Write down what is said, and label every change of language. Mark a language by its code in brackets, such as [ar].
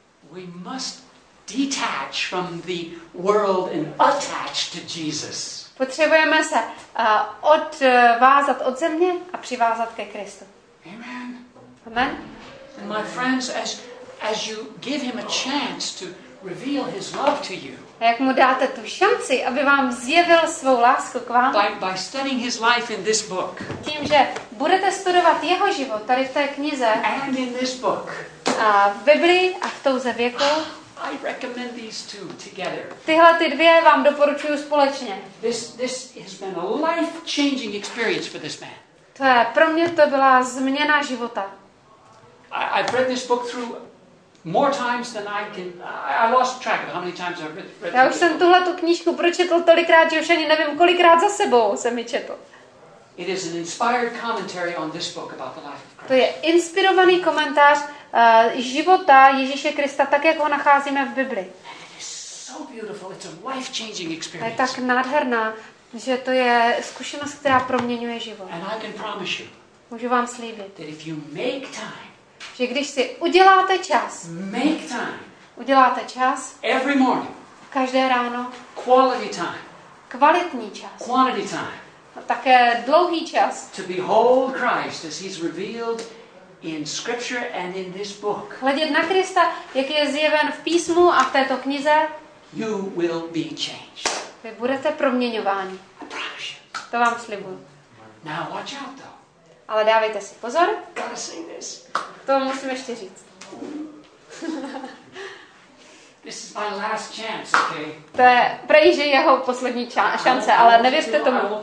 [en] We must detach from the world and attach to Jesus. [cs] Potřebujeme se odvázat od země a přivázat ke Kristu. [en] Amen. [cs] Amen. [en] And my friends, as you give him a chance to reveal his love to you. [cs] A jak mu dáte tu šanci, aby vám zjevil svou lásku k vám? [en] By studying his life in this book. [cs] Tím, že budete studovat jeho život tady v té knize. [en] And in this book. [cs] A v Biblii a v Touze věku. [en] I recommend these two together. [cs] Tyhle ty dvě vám doporučuju společně. [en] This has been a life-changing experience for this man. [cs] To je, pro mě to byla změna života. [en] I've read this book through more times than I can. I lost track of how many times I've read. [cs] Já už jsem tuhle tu knížku pročetl tolikrát, že už ani nevím, kolikrát za sebou jsem ji četl. [en] It is an inspired commentary on this book about the life of Christ. [cs] To je inspirovaný komentář života Ježíše Krista, tak jak ho nacházíme v Bibli. [en] So beautiful. It's a life-changing experience. [cs] Je tak nádherná, že to je zkušenost, která proměňuje život. [en] And I can promise you. [cs] Můžu vám slíbit. [en] That if you make time. [cs] Že když si uděláte čas. [en] Make time. [cs] Uděláte čas. [en] Every morning. [cs] Každé ráno. [en] Quality time. [cs] Kvalitní čas. [en] Quantity time. [cs] A také dlouhý čas. [en] To behold Christ as he's revealed in scripture and in this book. [cs] Hledět na Krista, jak je zjeven v písmu a v této knize. [en] You will be changed. [cs] Vy budete proměňováni. To vám slibuju. [en] Now watch out though. [cs] Ale dávejte si pozor. [en] Gotta say this. [cs] To musím ještě říct. [en] This is my last chance, okay? [cs] To je prej, že jeho poslední šance, ale nevěřte tomu.